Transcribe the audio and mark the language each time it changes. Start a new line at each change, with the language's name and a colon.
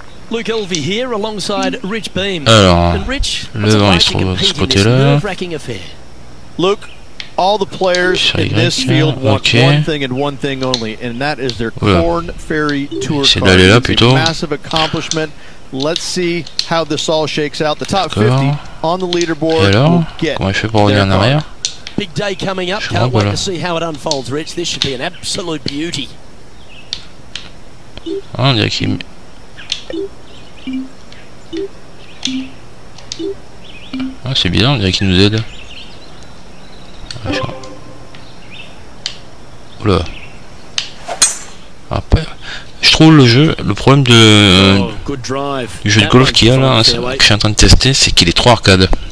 English: Luke Elvey here alongside Rich Beam.
French: Alors, and Rich, le vent il se trouve de ce côté-là.
English: Luke, all the players in this field want one thing and one thing only, and that is their Korn Ferry Tour card.
French: C'est là plutôt.
English: A massive accomplishment. Let's see how this all shakes out. The top 50 on the leaderboard.
French: Et alors, comment il fait pour revenir en arrière?
English: Big day coming up. Can't wait to see how it unfolds, Rich. This should be an absolute beauty.
French: On dirait qu'il Ah, c'est bizarre, on dirait qu'il nous aide. Oula. Après, je trouve le jeu, le problème de du jeu de golf qu'il y a là, c'est, que je suis en train de tester, c'est qu'il est trop arcade.